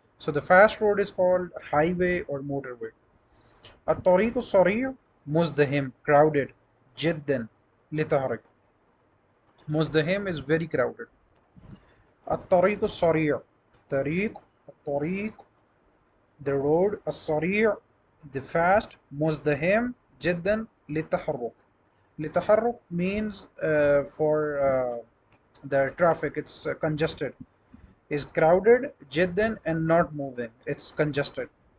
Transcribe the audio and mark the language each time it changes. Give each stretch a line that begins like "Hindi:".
English: So the fast road is called highway or motorway.
Arabic: الطريق السريع مزدحم crowded جدا لتحرك مزدحم
English: is very crowded.
Arabic: الطريق السريع الطريق
English: the road
Arabic: السريع
English: the fast
Arabic: مزدحم جدا لتحرك. لتحرك
English: means for the traffic it's congested is crowded
Arabic: جدا
English: and not moving it's congested.